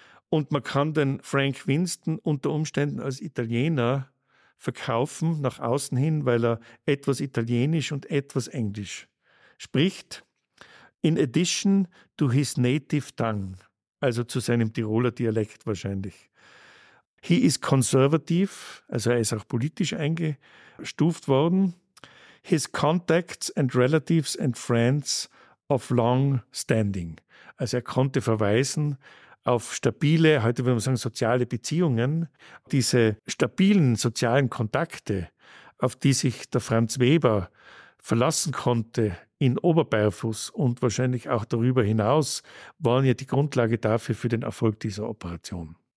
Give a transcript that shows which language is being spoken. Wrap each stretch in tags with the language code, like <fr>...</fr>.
<de>Und man kann den Frank Winston unter Umständen als Italiener verkaufen nach außen hin, weil er etwas Italienisch und etwas Englisch spricht.</de> <en>In addition to his native tongue,</en> <de>also zu seinem Tiroler Dialekt wahrscheinlich.</de> <en>He is conservative,</en> <de>also er ist auch politisch eingestuft worden.</de> <en>His contacts and relatives and friends of long standing.</en> <de>Also er konnte verweisen auf stabile, heute würde man sagen, soziale Beziehungen, diese stabilen sozialen Kontakte, auf die sich der Franz Weber verlassen konnte in Oberbeerfuß und wahrscheinlich auch darüber hinaus, waren ja die Grundlage dafür für den Erfolg dieser Operation.</de>